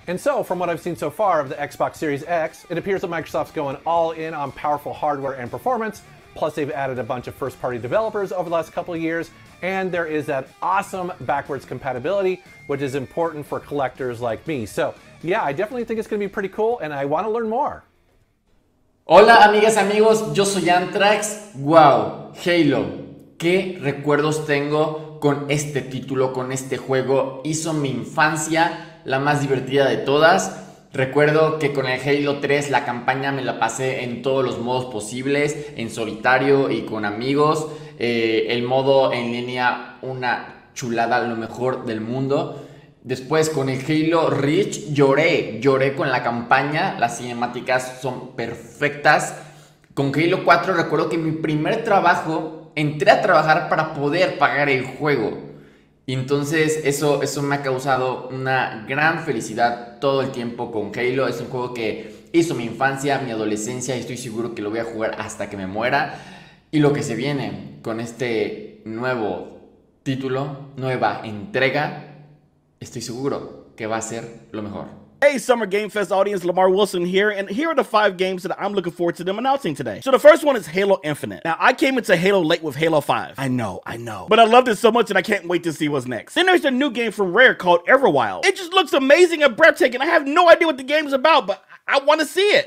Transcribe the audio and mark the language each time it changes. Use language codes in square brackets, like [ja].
[en] And so, from what I've seen so far of the Xbox Series X, it appears that Microsoft's going all in on powerful hardware and performance, plus they've added a bunch of first-party developers over the last couple of years, and there is that awesome backwards compatibility, which is important for collectors like me. So, yeah, I definitely think it's going to be pretty cool, and I want to learn more. [es] Hola, amigas, amigos, yo soy Anthrax. Wow, Halo, qué recuerdos tengo con este título, con este juego. Hizo mi infancia la más divertida de todas. Recuerdo que con el Halo 3 la campaña me la pasé en todos los modos posibles, en solitario y con amigos. El modo en línea, una chulada, lo mejor del mundo. Después con el Halo Reach lloré con la campaña, las cinemáticas son perfectas. Con Halo 4 recuerdo que mi primer trabajo, entré a trabajar para poder pagar el juego. Y entonces eso me ha causado una gran felicidad todo el tiempo con Halo. Es un juego que hizo mi infancia, mi adolescencia, y estoy seguro que lo voy a jugar hasta que me muera. Y lo que se viene con este nuevo título, nueva entrega, estoy seguro que va a ser lo mejor. [en] Hey, Summer Game Fest audience, Lamarr Wilson here, and here are the five games that I'm looking forward to them announcing today. So the first one is Halo Infinite. Now, I came into Halo late with Halo 5. I know. But I loved it so much, and I can't wait to see what's next. Then there's a new game from Rare called Everwild. It just looks amazing and breathtaking. I have no idea what the game's about, but I want to see it.